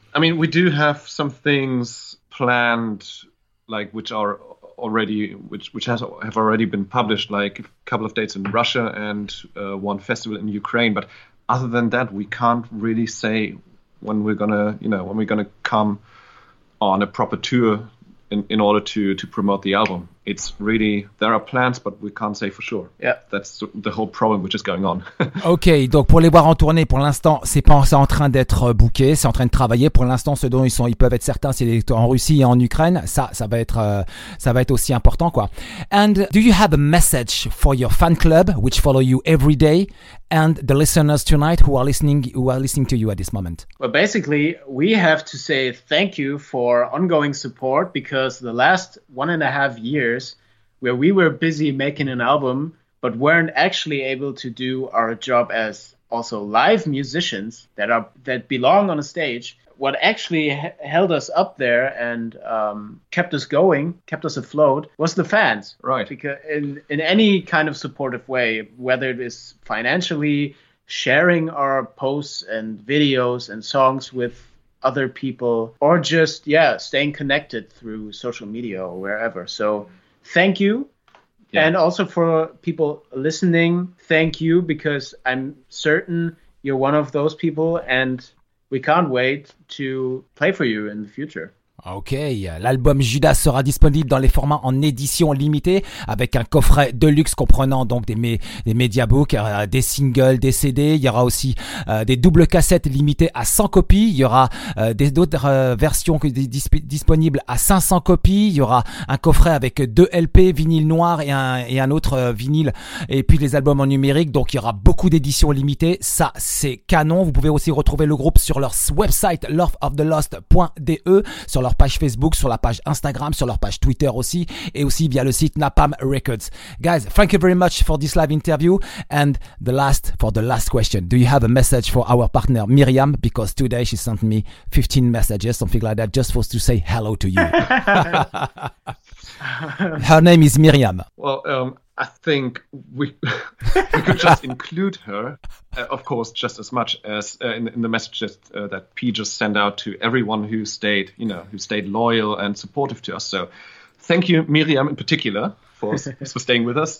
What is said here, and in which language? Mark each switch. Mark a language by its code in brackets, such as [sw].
[en] I mean, we do have some things planned, like which have already been published, like a couple of dates in Russia and one festival in Ukraine. But other than that, we can't really say when we're gonna come on a proper tour in order to promote the album. It's really, there are plans, but we can't say for sure. Yeah. That's the whole problem which is going on. [fr] Ok, donc pour les voir en tournée, pour l'instant, c'est en train d'être booké, c'est en train de travailler. Pour l'instant, ce dont ils peuvent être certains, c'est en Russie et en Ukraine. Ça va être aussi important, quoi. [en] And do you have a message for your fan club, which follow you every day, and the listeners tonight who are listening to you at this moment? Well, basically, we have to say thank you for ongoing support, because the last 1.5 years where we were busy making an album but weren't actually able to do our job as also live musicians that belong on a stage, what actually held us up there and kept us going, kept us afloat, was the fans. Right. Because in any kind of supportive way, whether it is financially sharing our posts and videos and songs with other people, or just staying connected through social media or wherever. So thank you. Yeah. And also for people listening, thank you, because I'm certain you're one of those people and we can't wait to play for you in the future. [fr] Ok, l'album Judas sera disponible dans les formats en édition limitée avec un coffret de luxe comprenant donc des media books, des singles, des CD. Il y aura aussi des doubles cassettes limitées à 100 copies. Il y aura d'autres versions disponibles à 500 copies. Il y aura un coffret avec deux LP, vinyle noir et un autre vinyle, et puis les albums en numérique. Donc il y aura beaucoup d'éditions limitées. Ça, c'est canon. Vous pouvez aussi retrouver le groupe sur leur website loveofthelost.de, sur leur page Facebook, sur la page Instagram, sur leur page Twitter aussi, et aussi via le site Napalm Records. [en] Guys, thank you very much for this live interview, and the last question. Do you have a message for our partner Miriam? Because today she sent me 15 messages, something like that, just for to say hello to you. Her name is Miriam. Well, I think we could just include her, of course, just as much as in the messages that P just sent out to everyone who stayed loyal and supportive to us. So thank you, Miriam, in particular, for staying with us.